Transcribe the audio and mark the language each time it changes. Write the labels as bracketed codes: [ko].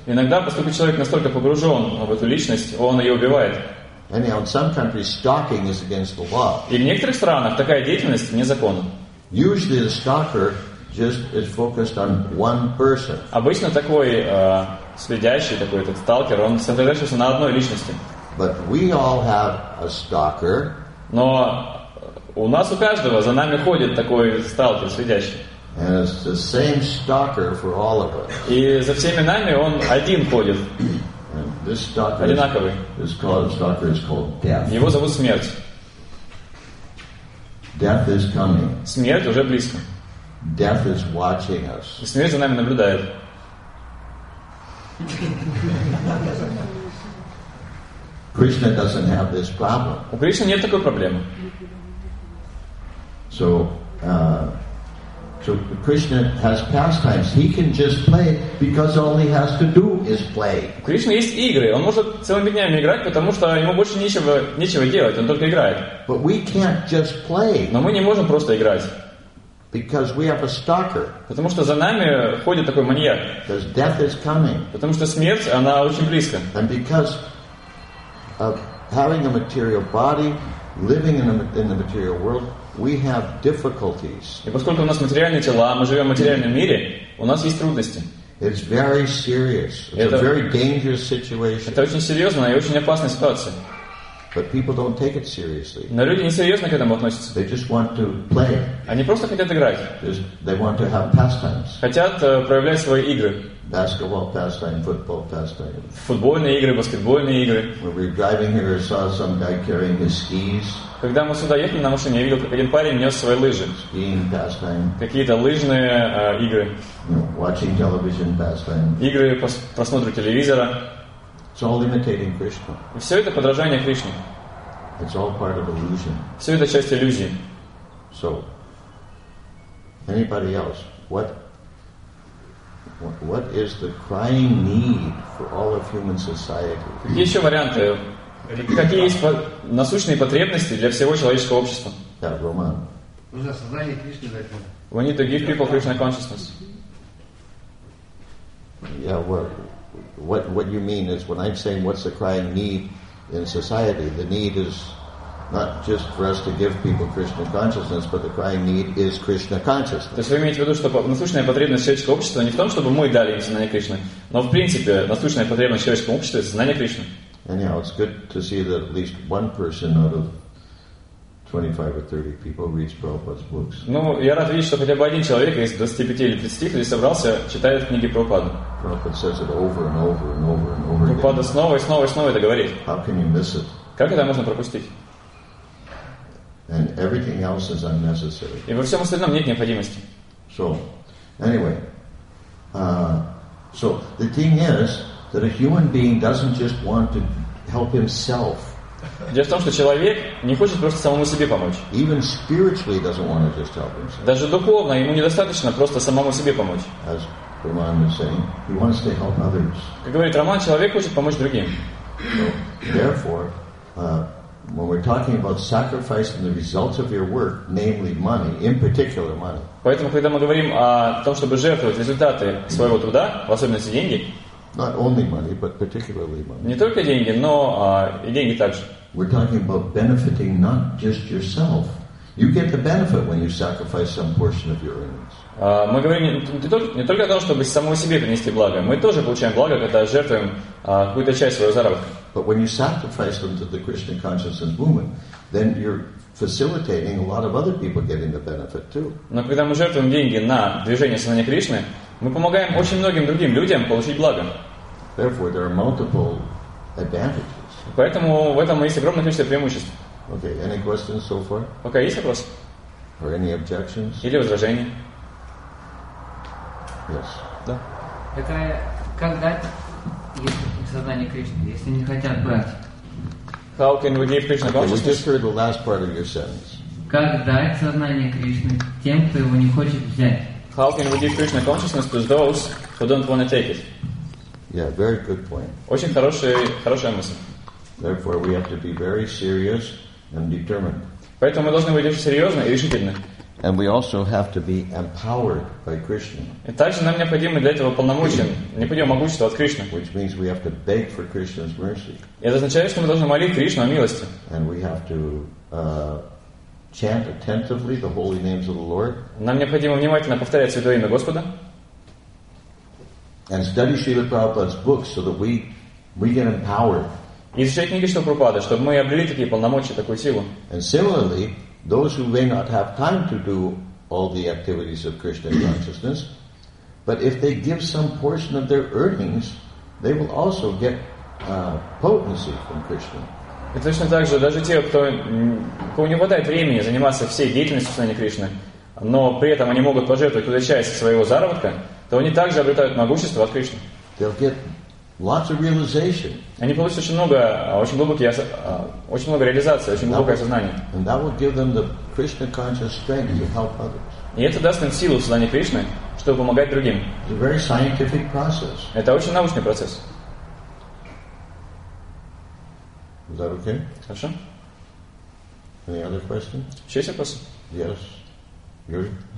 [ru] Иногда, поскольку человек настолько погружен в эту личность, он ее убивает. [en] Anyhow, in some countries, stalking is against the law. [ru] И в некоторых странах такая деятельность вне закона. [en] Usually, the stalker just is focused on one person. [ru] Обычно такой следящий, такой этот сталкер, он сосредоточился на одной личности. [en] But we all have a stalker. [ru] Но у нас у каждого за нами ходит такой сталкер, следящий. [en] And it's the same stalker for all of us. [ru] И за всеми нами он один ходит. [en] And this stalker [ru] одинаковый. [en] Is called death. [ru] Его зовут смерть. [en] Death is coming. [ru] Смерть уже близко. [en] Death is watching us. [ru] И смерть за нами наблюдает. [en] Krishna doesn't have this problem. [ru] У Кришны нет такой проблемы. [en] So Krishna has pastimes. He can just play because all he has to do is play. [ru] У Кришны есть игры. Он может целыми днями играть, потому что ему больше нечего делать. Он только играет. [en] But we can't just play. [ru] Но мы не можем просто играть. [en] Because we have a stalker. [ru] Потому что за нами ходит такой маньяк. [en] Because death is coming. [ru] Потому что смерть, она очень близко. [en] And because of having a material body, living in the material world, we have difficulties. [ru] И поскольку у нас материальные тела, мы живем в материальном мире, у нас есть трудности. [en] It's very serious. It's a very dangerous situation. [ru] Это очень серьезная и очень опасная ситуация. [en] But people don't take it seriously. [ru] Но люди не серьезно к этому относятся. [en] They just want to play. [ru] Они просто хотят играть. [en] Just, they want to have pastimes. [ru] Хотят проявлять свои игры. [en] Basketball pastime, football pastime. [ru] Футбольные игры, баскетбольные игры. [en] When we were driving here, I saw some guy carrying his skis. [ru] Когда мы сюда ехали на машине, я видел, как один парень нес свои лыжи. [en] Skiing pastime. [ru] Какие-то лыжные игры. [en] Watching television pastime. [ru] Игры по просмотру телевизора. [en] It's all imitating Krishna. [ru] Все это подражание Кришне. [en] It's all part of illusion. [ru] Все это часть иллюзии. [en] So, anybody else? What is the crying need for all of human society? [ru] Какие еще варианты? Какие есть насущные потребности для всего человеческого общества? Да, Роман. Нужно создание Кришны. [en] We need to give people Krishna consciousness. Yeah, what you mean is when I'm saying what's the crying need in society, the need is not just for us to give people Krishna consciousness, but the crying need is Krishna consciousness. [ru] То есть вы имеете в виду, что насущная потребность человеческого общества не в том, чтобы мы дали им знание Кришны, но в принципе насущная потребность человеческого общества — это знание Кришны. [en] Anyhow, it's good to see that at least one person out of 25 or 30 people reads Prabhupada's books. [ru] Ну, я рад видеть, что хотя бы один человек из 25 или 30, кто здесь собрался, читает книги Прабхупады. [en] Prabhupada says it over and over and over and over again. [ru] Прабхупада снова и снова и снова это говорит. [en] How can you miss it? [ru] Как это можно пропустить? [en] And everything else is unnecessary. [ru] И во всем остальном нет необходимости. [en] So, anyway, so the thing is that a human being doesn't just want to help himself. [ru] Дело в том, что человек не хочет просто самому себе помочь. [en] Even spiritually doesn't want to just help himself. [ru] Даже духовно ему недостаточно просто самому себе помочь. [en] As Roman is saying, he wants to help others. [ru] Как говорит Роман, человек хочет помочь другим. [en] So, therefore, when we're talking about sacrifice and the results of your work, namely money, in particular money. [ru] Поэтому, когда мы говорим о том, чтобы жертвовать результаты своего труда, в особенности деньги. [en] Not only money, but particularly money. [ru] Не только деньги, но и деньги также. [en] We're talking about benefiting not just yourself. You get the benefit when you sacrifice some portion of your earnings. [ru] Мы говорим не только о том, чтобы самому себе принести благо. Мы тоже получаем благо, когда жертвуем какую-то часть своего заработка. [en] But when you sacrifice them to the Krishna consciousness movement, then you're facilitating a lot of other people getting the benefit too. [ru] Но когда мы жертвуем деньги на движение сознания Кришны, мы помогаем очень многим другим людям получить благо. [en] Therefore, there are multiple advantages. [ru] Поэтому в этом есть огромное количество преимуществ. [en] Okay, any questions so far? [ru] Пока есть вопросы? [en] Or any objections? [ru] Или возражения? [en] Yes. [ru] Да. Это как дать сознание Кришны, если не хотят брать? [en] How can we give Krishna consciousness? Okay, we just heard the last part of your sentence. [ru] Как дать сознание Кришны тем, кто его не хочет взять? [en] How can we give Krishna consciousness to those who don't want to take it? Yeah, very good point. [ru] Очень хорошая мысль. [en] Therefore, we have to be very serious and determined. [ru] Поэтому мы должны быть очень серьезны и решительны. [en] And we also have to be empowered by Krishna. [ru] И также нам необходимо для этого полномочия, необходимо могущество от Кришны. [en] Which means we have to beg for Krishna's mercy. [ru] И это означает, что мы должны молить Кришну о милости. [en] And we have to chant attentively the holy names of the Lord. [ru] Нам необходимо внимательно повторять святое имя Господа. [en] And study Srila Prabhupada's books so that we get empowered. [ru] И изучать книги Шрилы Прабхупады, чтобы мы обрели такие полномочия, такую силу. [en] And similarly, those who may not have time to do all the activities of Krishna consciousness, but if they give some portion of their earnings, they will also get potency from Krishna. [ru] И точно так же, даже те, кому не хватает времени заниматься всей деятельностью сознания Кришны, но при этом они могут пожертвовать туда часть своего заработка, то они также обретают могущество от Кришны. [en] They'll get lots of realization. [ru] Они получат очень много реализации, очень глубокое сознание. [en] And that will give them the Krishna conscious strength to help others. [ru] И это даст им силу в сознании Кришны, чтобы помогать другим. [en] It's a very scientific process. [ru] Это очень научный процесс. [en] Is that okay? [ru] Хорошо. [en] Any other questions? [ru] Есть вопросы? [en] Yes. Юрий?